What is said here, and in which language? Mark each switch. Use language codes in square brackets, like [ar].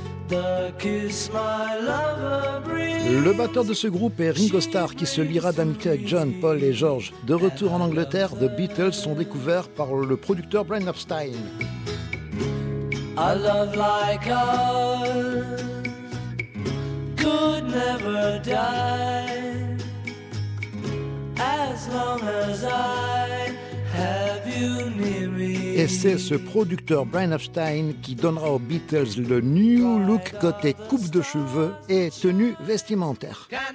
[fr] Le batteur de ce groupe est Ringo Starr, qui se liera d'amitié avec John, Paul et George. De retour en Angleterre, The Beatles sont découverts par le producteur Brian Epstein. [en] I love like us could never die, as long as I have you near me. [fr] Et c'est ce producteur Brian Epstein qui donnera aux Beatles le new look côté coupe de cheveux et tenue vestimentaire.